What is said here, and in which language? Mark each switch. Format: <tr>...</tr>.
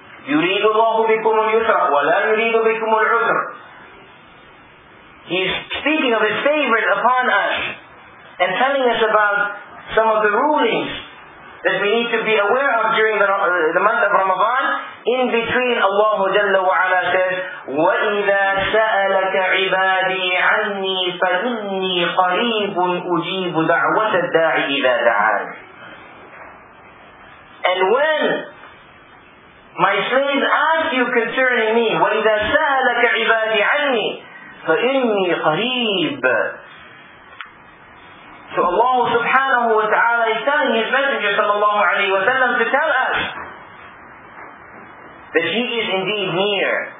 <ar>يُرِيدُ اللَّهُ بِكُمُ الْيُسْرَ وَلَا يُرِيدُ بِكُمُ الْعُسْرَ.</ar> <en>He's speaking of His favorite upon us and telling us about some of the rulings that we need to be aware of during the month of Ramadan. In between, Allah Jalla wa Ala says,</en> <ar>وَإِذَا سَأَلَكَ عِبَادِي عَنِّي فَإِنِّي قَرِيبٌ أُجِيبُ دَعْوَةَ الدَّاعِ إِذَا دَعَانِ.</ar> <en>And when my slaves ask you concerning me,</en> <ar>وَإِذَا سَأَلَكَ عِبَادِي عَنِّي فَإِنِّي قَرِيبٌ.</ar> <en>So Allah subhanahu wa ta'ala is telling His Messenger sallallahu alayhi wa sallam to tell us that He is indeed near.</en>